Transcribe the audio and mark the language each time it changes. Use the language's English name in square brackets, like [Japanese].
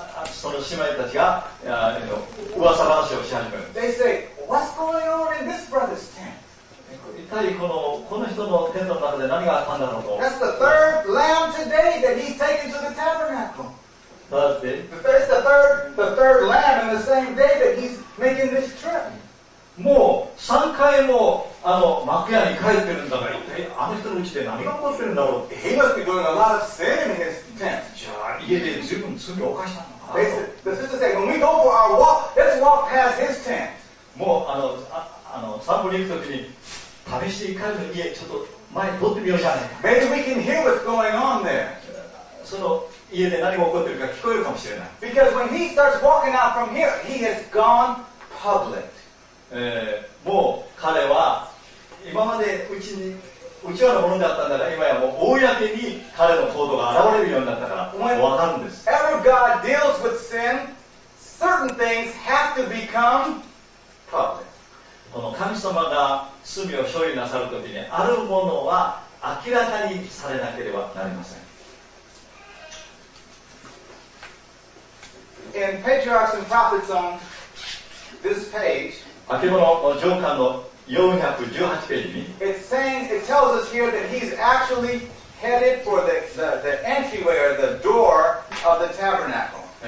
[Japanese] その姉妹たちが噂話をし始める。 [English] They say, what's going on in this brother's tent? [Japanese] 一体この人のテントの中で何があったんだろうと。 [English] That's the third lamb today that he's taken to the tabernacle. [Japanese] だって。 [English] That's the third lamb in the same day that he's making this trip. [Japanese] もう3回も幕屋に帰ってるんだから、一体あの人のうちで何が起こってるんだろう。 [English] He must be doing a lot of sin in his tent. [Japanese] じゃあ家で十分罪を犯したのかな。 [English] The sister said, when we go for our walk, let's walk past his tent. [Japanese] もう散歩に行くときに、試して帰るの家、ちょっと前に通ってみようじゃないか。 [English] Maybe we can hear what's going on there. [Japanese] その家で何が起こってるか聞こえるかもしれない。 [English] Because when he starts walking out from here, he has gone public. [Japanese] もう彼は今までうちわのものだったんだが今やもう公に彼の行動が現れるようになったから分かるんです。 [English] Ever God deals with sin, certain things have to become public. [Japanese] この神様が罪を処理なさるときにあるものは明らかにされなければなりません。 [English] In Patriarchs and Prophets on this page, [Japanese] あけぼの上巻の418ページに [English] it tells us here that he's actually headed for the entryway or the door of the tabernacle.